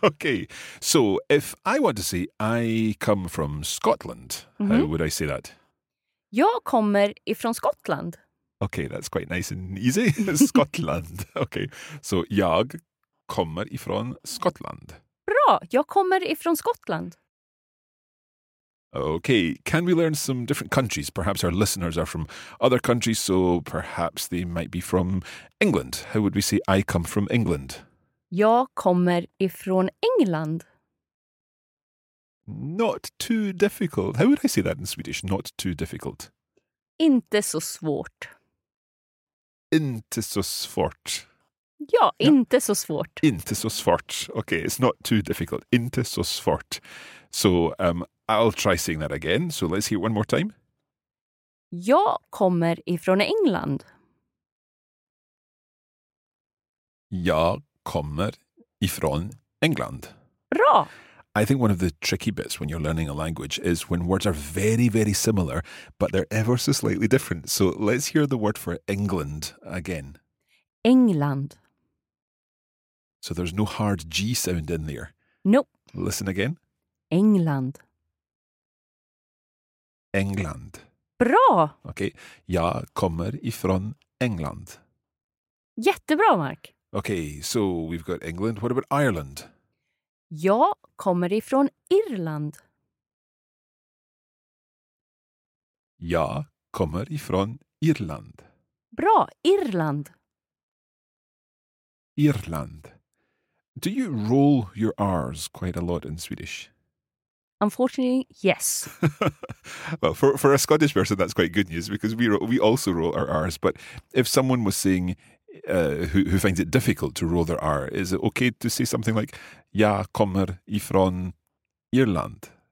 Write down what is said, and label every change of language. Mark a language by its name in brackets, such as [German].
[English] Okay, so if I want to say I come from Scotland, mm-hmm. how would I say that? [Swedish] Jag kommer ifrån Skottland. [English] Okay, that's quite nice and easy. Scotland. Okay, so [Swedish] jag kommer ifrån Skottland. Bra, jag kommer ifrån Skottland. [English] Okay, can we learn some different countries? Perhaps our listeners are from other countries, so perhaps they might be from England. How would we say I come from England? [Swedish] Jag kommer ifrån England. [English] Not too difficult. How would I say that in Swedish? Not too difficult. [Swedish] Inte så svårt. Inte så svårt. Ja, inte så svårt. Inte så svårt. [English] Okay, it's not too difficult. [Swedish] Inte så svårt. [English] So, I'll try saying that again. So let's hear it one more time. [Swedish] Jag kommer ifrån England. Jag kommer ifrån England. Bra! [English] I think one of the tricky bits when you're learning a language is when words are very, very similar, but they're ever so slightly different. So let's hear the word for England again. [Swedish] England. [English] So there's no hard G sound in there. Nope. Listen again. [Swedish] England. England. Bra! [English] Okay. [Swedish] Jag kommer ifrån England. Jättebra, Mark. [English] Okay, so we've got England. What about Ireland? [Swedish] Jag kommer ifrån Irland. Jag kommer ifrån Irland. Bra, Irland. Irland. [English] Do you roll your R's quite a lot in Swedish? Unfortunately, yes. Well, for a Scottish person, that's quite good news because we also roll our R's. But if someone was saying, who finds it difficult to roll their R, is it okay to say something like, [Swedish] ja kommer ifrån Irland?